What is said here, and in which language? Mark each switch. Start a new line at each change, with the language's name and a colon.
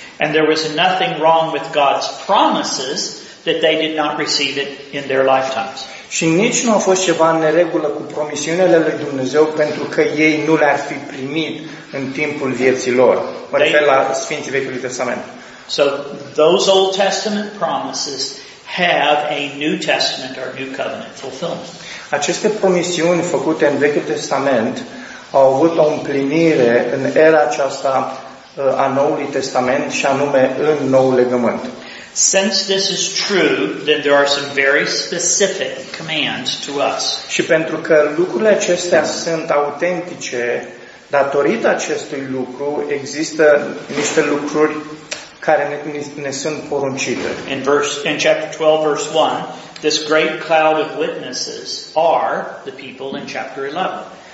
English: And there was nothing wrong with God's promises that they did not receive it in their lifetimes.
Romanian: Și nici nu a fost ceva în neregulă cu promisiunile lui Dumnezeu pentru că ei nu le-ar fi primit în timpul vieții lor. Mă refer la Sfinții Vechiului Testament.
English: So those Old Testament promises have a New Testament or New Covenant fulfillment.
Romanian: Aceste promisiuni făcute în Vechiul Testament au avut o împlinire în era aceasta a Noului Testament și anume în Noul Legământ.
English: Since this is true, then there are some very specific commands to us.
Romanian: Și pentru că lucrurile acestea sunt autentice, datorită acestui lucru, există niște lucruri care ne sunt poruncite.
English: In chapter 12, verse 1, this great cloud of witnesses are the people in chapter 11.